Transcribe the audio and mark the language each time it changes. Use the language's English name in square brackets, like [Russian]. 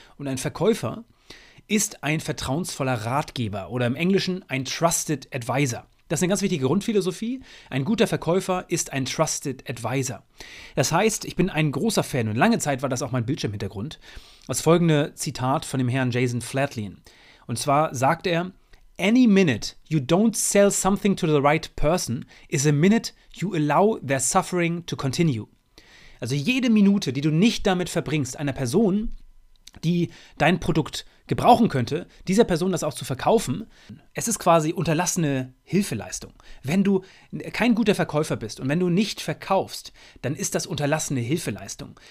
[German] Und ein Verkäufer ist ein vertrauensvoller Ratgeber oder im Englischen ein Trusted Advisor. Das ist eine ganz wichtige Grundphilosophie. Ein guter Verkäufer ist ein Trusted Advisor. Das heißt, ich bin ein großer Fan und lange Zeit war das auch mein Bildschirmhintergrund. Das folgende Zitat von dem Herrn Jason Flatlin. Und zwar sagt er, [English] "Any minute you don't sell something to the right person is a minute you allow their suffering to continue." [German] Also jede Minute, die du nicht damit verbringst, einer Person, die dein Produkt gebrauchen könnte, dieser Person das auch zu verkaufen, es ist quasi unterlassene Hilfeleistung. Wenn du kein guter Verkäufer bist und wenn du nicht verkaufst, dann ist das unterlassene Hilfeleistung.